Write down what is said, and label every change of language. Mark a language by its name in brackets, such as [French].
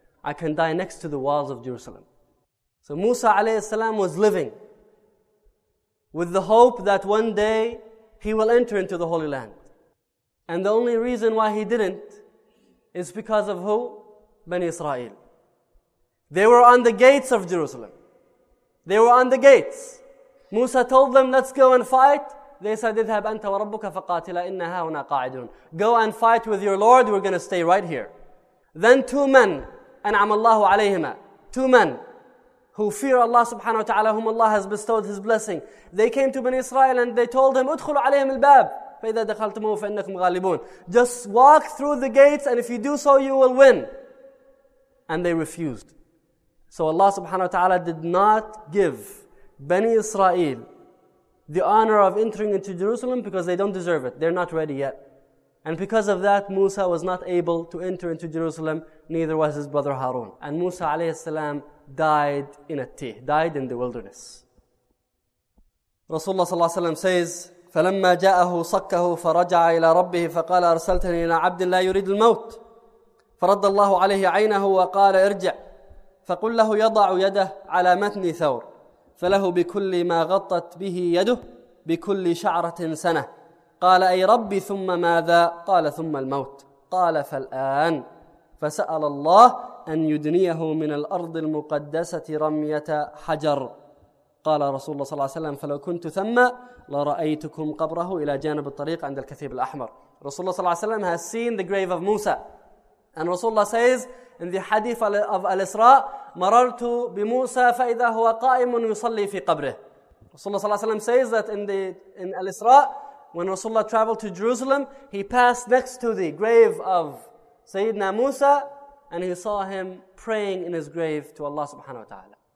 [English] I can die next to the walls of Jerusalem. So Musa alayhi salam was living with the hope that one day he will enter into the Holy Land. And the only reason why he didn't is because of who? Bani Israel. They were on the gates of Jerusalem. They were on the gates. Musa told them, let's go and fight. They said, [Arabic] اذهب أنت وربك فقاتلا إن هاهنا قاعدون. [English] Go and fight with your Lord, we're going to stay right here. Then two men, [Arabic] أنعم الله عليهما, [English] two men who fear Allah subhanahu wa ta'ala, whom Allah has bestowed His blessing, they came to Bani Israel and they told him, [Arabic] ادخلوا عليهم الباب. فَإِذَا دَخَلْتُمُهُ فَإِنَّكُمْ غَالِبُونَ [English] Just walk through the gates and if you do so, you will win. And they refused. So Allah subhanahu wa ta'ala did not give Bani Israel the honor of entering into Jerusalem because they don't deserve it. They're not ready yet. And because of that, Musa was not able to enter into Jerusalem, neither was his brother Harun. And Musa alayhi salam died in a tih, died in the wilderness. Rasulullah sallallahu alayhi wasallam says, [Arabic] فلما جاءه صكه فرجع إلى ربه فقال أرسلتني إلى عبد لا يريد الموت فرد الله عليه عينه وقال ارجع فقل له يضع يده على متن ثور فله بكل ما غطت به يده بكل شعرة سنة قال أي ربي ثم ماذا قال ثم الموت قال فالآن فسأل الله أن يدنيه من الأرض المقدسة رمية حجر قال رسول الله صلى الله عليه وسلم فلو كنت ثم لرأيتكم قبره إلى جانب الطريق عند الكثيب الأحمر Rasulullah صلى الله عليه وسلم [English] has seen the grave of Musa. And Rasulullah says in the hadith of Al-Isra, [Arabic] مررت بموسى فإذا هو قائم يصلي في قبره. [English] Rasulullah صلى الله عليه وسلم says that in Al-Isra, when Rasulullah traveled to Jerusalem, he passed next to the grave of Sayyidina Musa and he saw him praying in his grave to Allah subhanahu wa ta'ala.